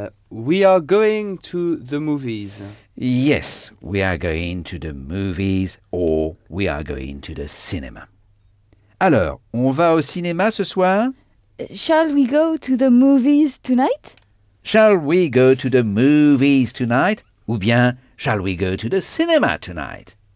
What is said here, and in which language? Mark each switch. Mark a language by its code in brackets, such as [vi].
[en] We are going to the movies. Yes, we are going to the movies or we are going to the cinema. [fr] Alors, on va au cinéma ce soir? [en] Shall we go to the movies tonight? Shall we go to the movies tonight? Ou bien... Shall we go to the cinema tonight?